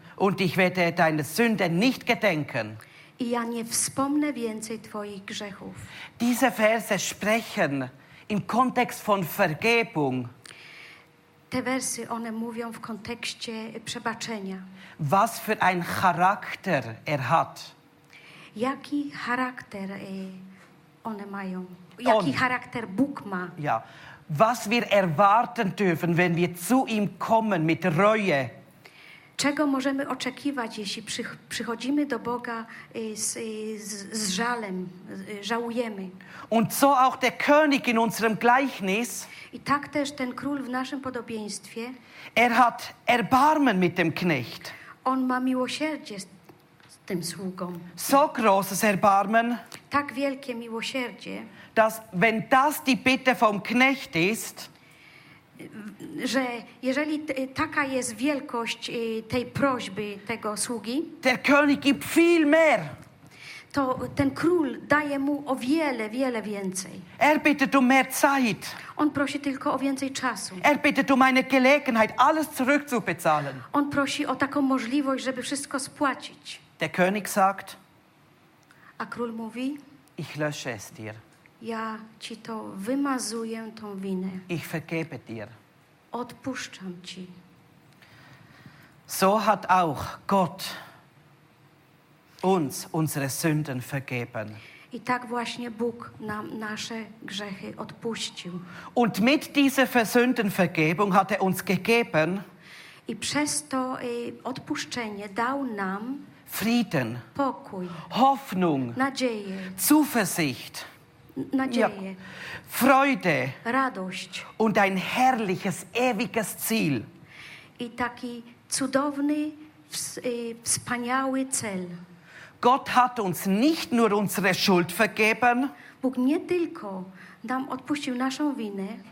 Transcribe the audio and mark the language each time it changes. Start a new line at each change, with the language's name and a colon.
German: Und ich werde deine Sünde nicht gedenken.
Polish: I ja nie wspomnę więcej twoich grzechów.
German: Diese Verse sprechen im Kontext von Vergebung.
Polish: Te wersy, one mówią w kontekście przebaczenia.
German: Was für ein Charakter hat.
Polish: Jaki charakter one mają? Jaki charakter Bóg ma?
German: Ja. Was wir erwarten dürfen, wenn wir zu ihm kommen mit Reue.
Polish: Czego możemy oczekiwać, jeśli przychodzimy do Boga z żalem, żałujemy?
German: Und so auch der König in unserem Gleichnis.
Polish: I tak też ten król w naszym podobieństwie.
German: Hat Erbarmen mit dem Knecht.
Polish: On ma miłosierdzie z tym sługą.
German: So großes Erbarmen.
Polish: Tak wielkie miłosierdzie.
German: Dass, wenn das die Bitte vom Knecht ist.
Polish: Że jeżeli taka jest wielkość tej prośby tego sługi.
German: Der König gibt viel mehr.
Polish: To ten król daje mu o wiele, wiele więcej.
German: Er bittet um mehr Zeit.
Polish: On prosi tylko o więcej czasu.
German: Er bittet um eine Gelegenheit, alles zurückzubezahlen.
Polish: On prosi o taką możliwość, żeby wszystko spłacić.
German: Der König sagt,
Polish: a król mówi,
German: ich lösche es dir.
Polish: Ja ci to wymazuję, tą winę.
German: Ich vergebe dir.
Polish: Odpuszczam ci.
German: So hat auch Gott uns unsere Sünden vergeben.
Polish: I tak właśnie Bóg nam nasze grzechy odpuścił.
German: Und mit dieser Versündenvergebung hat uns gegeben.
Polish: I przez to odpuszczenie dał nam
German: Frieden,
Polish: pokój,
German: Hoffnung,
Polish: nadzieję,
German: Zuversicht,
Polish: nadzieję,
German: Freude,
Polish: radość
German: und ein herrliches ewiges Ziel.
Polish: I taki cudowny, wspaniały cel.
German: Gott hat uns nicht nur unsere Schuld vergeben,
Polish: Bóg nie tylko nam odpuścił naszą winę,